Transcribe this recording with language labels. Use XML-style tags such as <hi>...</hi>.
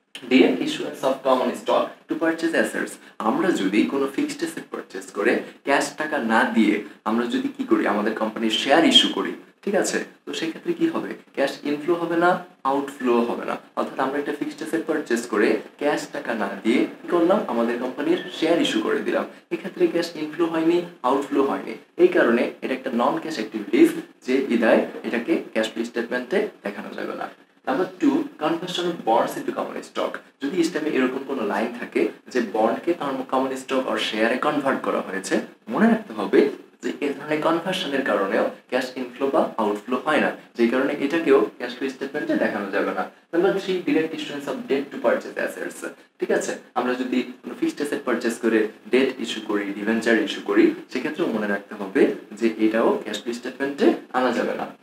<en>dear issuers of common stock to purchase assets</en> <bn>আমরা যদি কোনো ফিক্সড অ্যাসেট পারচেজ করে ক্যাশ টাকা না দিয়ে আমরা যদি কি করি আমাদের কোম্পানির শেয়ার ইস্যু করি ঠিক আছে তো সেক্ষেত্রে কি হবে ক্যাশ ইনফ্লো হবে না আউটফ্লো হবে না অর্থাৎ আমরা একটা ফিক্সড অ্যাসেট পারচেজ করে ক্যাশ টাকা না দিয়ে কি করলাম আমাদের কোম্পানির শেয়ার ইস্যু করে দিলাম এক্ষেত্রে ক্যাশ ইনফ্লো হয়নি আউটফ্লো হয়নি এই কারণে এটা একটা নন ক্যাশ অ্যাক্টিভিটিস যে ইদায় এটাকে ক্যাশ ফ্লো স্টেটমেন্টে দেখানো যাবে না</bn> <en>Number two, conversion of bonds into common stock.</en> <bn>যদি ইস্টেমে এরকম কোনো লাইন থাকে যে বন্ডকে তার কমন স্টক আর শেয়ারে কনভার্ট করা হয়েছে, মনে রাখতে হবে যে এই ধরনের কনভার্সনের কারণেও ক্যাশ ইনফ্লো বা আউটফ্লো হয় না, যেই কারণে এটাকেও ক্যাশ ফ্লো স্টেটমেন্টে দেখানো যাবে না। Number three,</bn> <en>Direct issuance of debt to purchase assets.</en> <bn>ঠিক আছে, আমরা যদি কোনো ফিক্সড অ্যাসেট পারচেজ করে ডেট ইস্যু করি, ডিভেঞ্চার ইস্যু করি, সেক্ষেত্রেও মনে রাখতে হবে যে এটাও ক্যাশ ফ্লো স্টেটমেন্টে আনা যাবে না।</bn>